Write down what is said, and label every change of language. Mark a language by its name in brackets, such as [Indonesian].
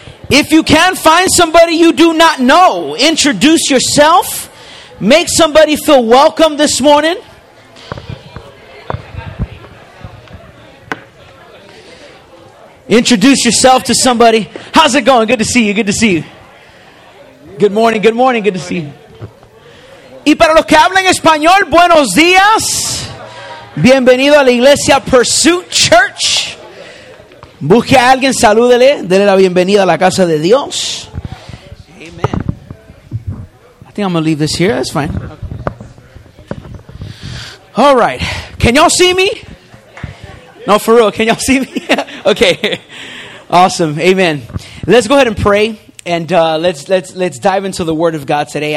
[English] If you can, find somebody you do not know. Introduce yourself. Make somebody feel welcome this morning. Introduce yourself to somebody. How's it going? Good to see you. Good to see you. Good morning. Good morning. Good to see you. [Spanish] Y para los que hablan español, buenos días. Bienvenido a la iglesia Pursuit Church. Busque a alguien, salúdele, dele la bienvenida a la casa de Dios. [English] Amen. I think I'm going to leave this here. That's fine. Okay. All right. Can y'all see me? No, for real. Can y'all see me? Okay. Awesome. Amen. Let's go ahead and pray, and let's dive into the Word of God today.